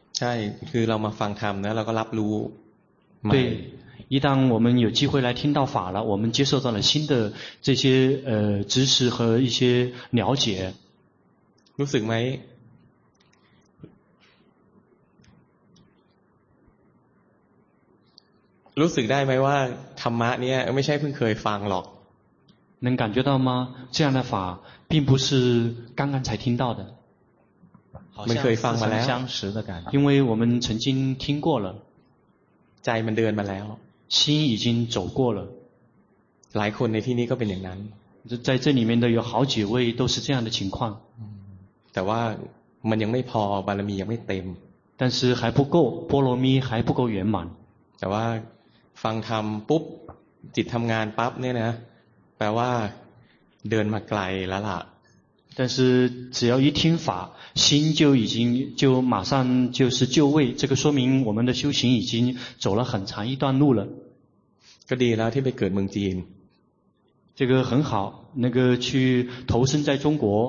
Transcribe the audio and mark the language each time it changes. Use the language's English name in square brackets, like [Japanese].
[Thai] ใช่คือเรามาฟังธรรมแล้วเราก็รับรู้ [Chinese] 对一旦我们有机会来听到法了我们接受到了新的这些知识和一些了解 [Thai] รู้สึกไหมรู้สึกได้ไหมว่าธรรมะเนี่ยไม่ใช่เพิ่งเคยฟังหรอก [Chinese] 能感觉到吗这样的法并不是刚刚才听到的 [Thai] มันเคยฟังมาแล้ว [Chinese] 因为我们曾经听过了 [Thai] ใจมันเดินมาแล้ว [Chinese] 心已经走过了 [Thai] หลายคนในที่นี้ก็เป็นอย่างนั้น [Chinese] 在这里面的有好几位都是这样的情况 [Thai] แต่ว่ามันยังไม่พอบารมียังไม่เต็ม [Chinese] 但是还不够波罗蜜还不够圆满 [Thai] แต่ว่าฟังธรรมปุ๊บจิตทำงานปั๊บเนี่ยนะแปลว่าเดินมาไกลแล้วล่ะ [Chinese] 但是只要一听法心就已经就马上就是就位这个说明我们的修行已经走了很长一段路了 [Thai] ก็ดีแล้วที่ไปเกิดเมืองจีน [Chinese] 这个很好那个去投身在中国